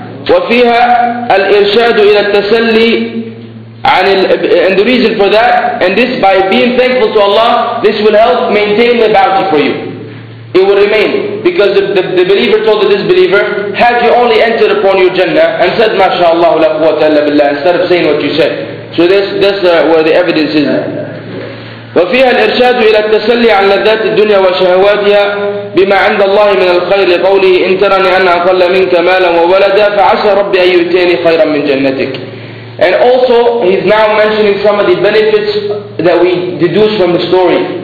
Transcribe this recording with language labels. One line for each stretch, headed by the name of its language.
Arabic: وفيها الإرشاد إلى التسلي عن ال
English: and the reason for that, and this by being thankful to Allah, this will help maintain the bounty for you. It will remain. Because the believer told the disbeliever, had you only entered upon your Jannah and said,
Arabic: MashaAllah, la quwwata illa billah,
English: instead of saying what you said. So this where the evidence is.
Arabic: وفيها الإرشاد إلى التسلي عن لذات الدنيا وشهواتها بما عند الله من الخير لقوله إن ترني أنا أقل منك مالا وولدا فعسى ربي أن يؤتيني خيرا من جنتك.
English: And also he's now mentioning some of the benefits that we deduce from the story.